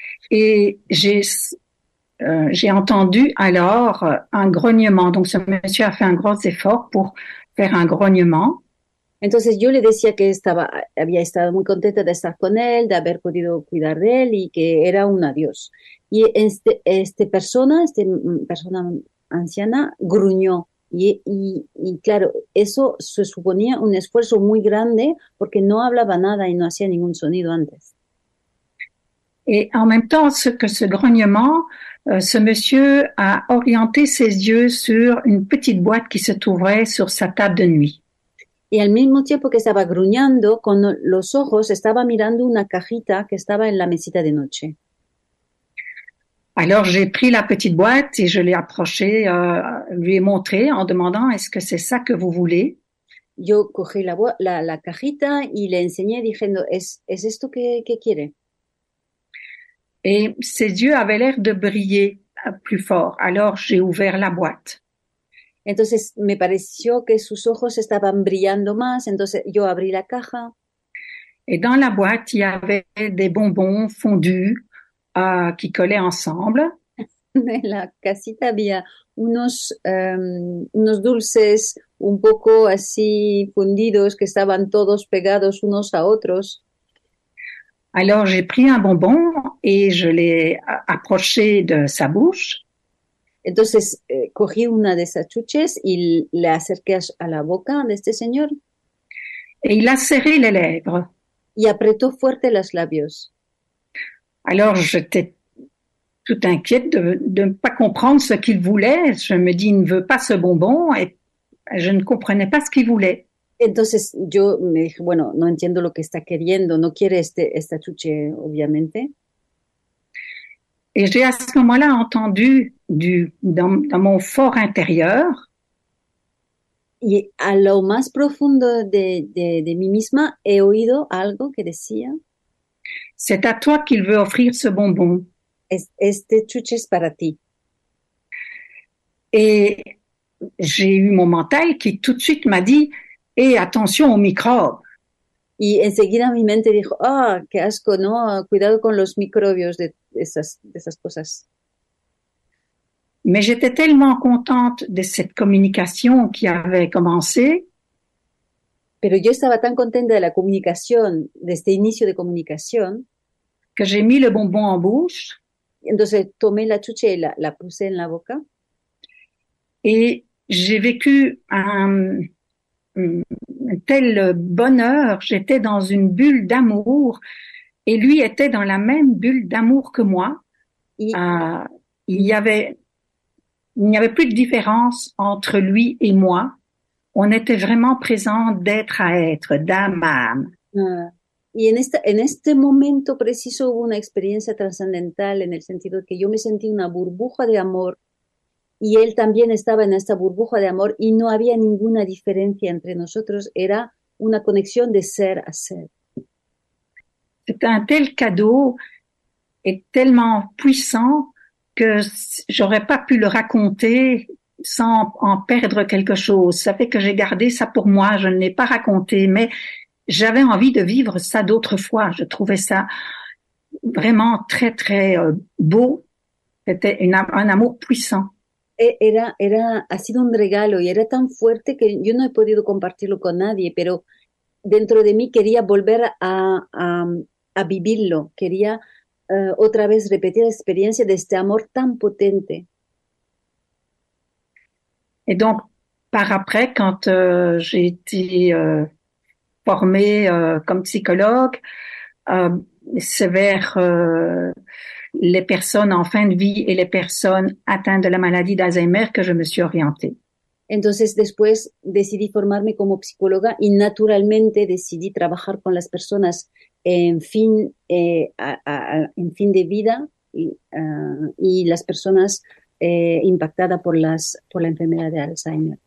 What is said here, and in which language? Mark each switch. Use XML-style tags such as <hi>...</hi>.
<fr>Et j'ai entendu alors un grognement. Donc, ce monsieur a fait un gros effort pour faire un grognement.</fr> <es>Entonces yo le decía que había estado muy contenta de estar con él, de haber podido cuidar de él y que era un adiós. Y esta persona anciana gruñó y claro, eso se suponía un esfuerzo muy grande porque no hablaba nada y no hacía ningún sonido antes.</es> <fr>Et en même temps, ce que ce grognement, ce monsieur a orienté ses yeux sur une petite boîte qui se trouvait sur sa table de nuit.</fr> <es>Y al mismo tiempo que estaba gruñendo, con los ojos estaba mirando una cajita que estaba en la mesita de noche.</es> <fr>Alors j'ai pris la petite boîte et je l'ai approchée, lui ai montré en demandant, est-ce que c'est ça que vous voulez?</fr> <es>Yo cogí la cajita y le enseñé diciendo, ¿es esto que quiere?</es> <fr>Et ses yeux avaient l'air de briller plus fort. Alors j'ai ouvert la boîte.</fr> <es>Entonces me pareció que sus ojos estaban brillando más, entonces yo abrí la caja.</es> <fr>Et dans la boîte, il y avait des bonbons fondus qui collaient ensemble.</fr> <es>En la casita había unos dulces un poco así fundidos que estaban todos pegados unos a otros.</es> <fr>Alors j'ai pris un bonbon et je l'ai approché de sa bouche.</fr> <es>Entonces, cogí una de esas chuches y le acerqué a la boca de este señor</es> <fr>Et il a serré les lèvres.</fr> <es>y apretó fuerte los labios.</es> <fr>Alors j'étais toute inquiète de ne pas comprendre ce qu'il voulait. Je me dis, il ne veut pas ce bonbon et je ne comprenais pas ce qu'il voulait.</fr> <es>Entonces, yo me dije, bueno, no entiendo lo que está queriendo, no quiere esta chuche, obviamente.</es> <fr>Et j'ai à ce moment-là entendu dans mon for intérieur.</fr> <es>Y a lo más profundo de mí misma he oído algo que decía,</es> <fr>C'est à toi qu'il veut offrir ce bonbon.</fr> <es>este chuche es para ti.</es> <fr>Et j'ai eu mon mental qui tout de suite m'a dit, et attention aux microbes.</fr> <es>Y enseguida mi mente dijo, ah, qué asco, ¿no? Cuidado con los microbios de esas cosas.</es> <fr>Mais j'étais tellement contente de cette communication qui avait commencé.</fr> <es>Pero yo estaba tan contenta de la comunicación, de este inicio de comunicación.</es> <fr>Que j'ai mis le bonbon en bouche.</fr> <es>Entonces tomé la chuche y la puse en la boca.</es> <fr>Et j'ai vécu un tel bonheur. J'étais dans une bulle d'amour. Et lui était dans la même bulle d'amour que moi.</fr> <es>Y</es> <fr>Il n'y avait plus de différence entre lui et moi. On était vraiment présents d'être à être, d'âme à âme.</fr> <es>Y en este momento preciso hubo una experiencia trascendental en el sentido de que yo me sentí una burbuja de amor y él también estaba en esta burbuja de amor y no había ninguna diferencia entre nosotros, era una conexión de ser a ser.</es> <fr>C'est un tel cadeau et tellement puissant que j'aurais pas pu le raconter sans en perdre quelque chose. Ça fait que j'ai gardé ça pour moi, je ne l'ai pas raconté, mais j'avais envie de vivre ça d'autres fois. Je trouvais ça vraiment très, très beau. C'était un amour puissant.</fr> <es>Ha sido un regalo y era tan fuerte que yo no he podido compartirlo con nadie, pero dentro de mí quería volver a vivirlo, quería otra vez repetir la experiencia de este amor tan potente.</es> <fr>Et donc, par après, quand j'ai été formée comme psychologue, c'est vers les personnes en fin de vie et les personnes atteintes de la maladie d'Alzheimer que je me suis orientée.</fr> <es>Entonces, después decidí formarme como psicóloga y naturalmente decidí trabajar con las personas en fin de vida y las personas impactadas por la enfermedad de Alzheimer.</es>